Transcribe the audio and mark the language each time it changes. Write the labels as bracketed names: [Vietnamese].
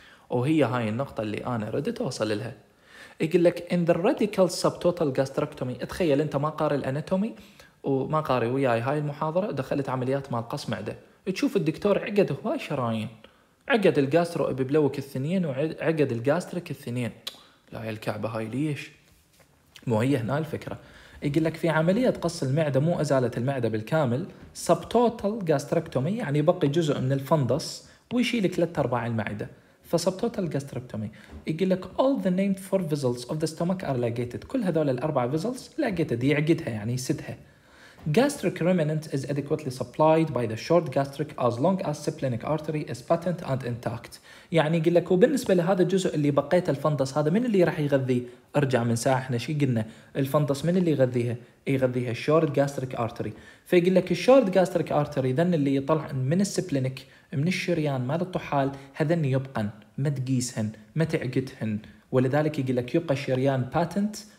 [Arabic] وهي هاي النقطه اللي انا ردت اوصل لها. يقول لك [English] in the radical subtotal gastrectomy، [Arabic] تخيل انت ما قاري الاناتومي وما قاري وياي هاي المحاضره، دخلت عمليات مال قص معده، تشوف الدكتور عقد هواي شرايين، عقد الجاسترو ابيبلوك الثنين وعقد الجاستريك الثنين، لا يا الكعبه هاي ليش؟ مو هي هنا الفكره. يقول لك في عمليه قص المعده مو ازاله المعده بالكامل، subtotal gastrectomy يعني يبقي جزء من الفندس ويشيلك ثلاث ارباع المعده. فسبتوتال جاستريكتومي يقول لك [English] all the named four vessels of the stomach are ligated، [Arabic] كل هذول الاربع [English] vessels ligated [Arabic] يعقدها يعني يسدها. [English] Gastric remnant is adequately supplied by the short gastric as long as splenic artery is patent and intact. [Arabic] يعني يقول لك وبالنسبة لهذا الجزء اللي بقيت الفندس هذا من اللي راح يغذي؟ أرجع من ساعة إحنا شي قلنا الفندس من اللي يغذيها؟ يغذيها [English] short gastric artery. [Arabic] فيقول لك [English] short gastric artery [Arabic] ذن اللي يطلع من السبلينك من الشريان مال الطحال هذن يبقن ما تقيسهن ما تعقدهن ولذلك يقول لك يبقى الشريان patent